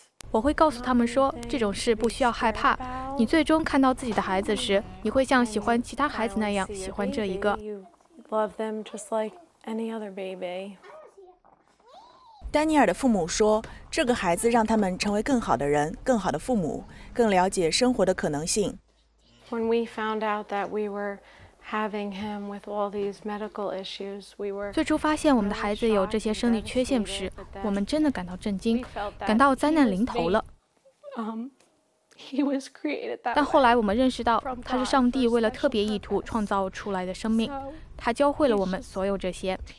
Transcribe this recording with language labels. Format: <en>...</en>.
<zh>我会告诉他们说，这种事不需要害怕。你最终看到自己的孩子时，你会像喜欢其他孩子那样喜欢这一个。丹尼尔的父母说，这个孩子让他们成为更好的人，更好的父母，更了解生活的可能性。</zh> <en>When we found out that we were having him with all these medical issues, we were</en> <zh>最初发现我们的孩子有这些生理缺陷时，我们真的感到震惊，感到灾难临头了。但后来我们认识到，他是上帝为了特别意图创造出来的生命，他教会了我们所有这些。</zh>